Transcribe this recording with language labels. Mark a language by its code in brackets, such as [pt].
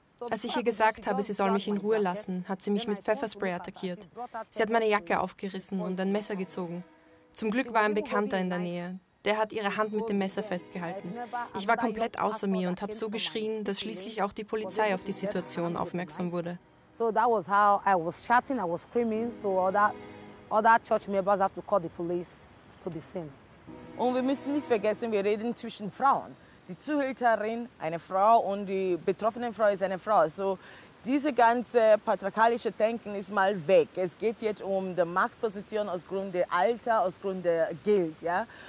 [de] Als ich ihr gesagt habe, sie soll mich in Ruhe lassen, hat sie mich mit Pfefferspray attackiert. Sie hat meine Jacke aufgerissen und ein Messer gezogen. Zum Glück war ein Bekannter in der Nähe. Der hat ihre Hand mit dem Messer festgehalten. Ich war komplett außer mir und habe so geschrien, dass schließlich auch die Polizei auf die Situation aufmerksam wurde. [en] So that was how I was shouting, I was screaming, so all that church members have to call the police to the scene. [de] Und wir müssen nicht vergessen, wir reden zwischen Frauen. Die Zuhälterin, eine Frau, und die betroffene Frau ist eine Frau. So diese ganze patriarchalische Denken ist mal weg. Es geht jetzt um die Machtposition aus Grund der Alter, aus Grund der Geld, ja?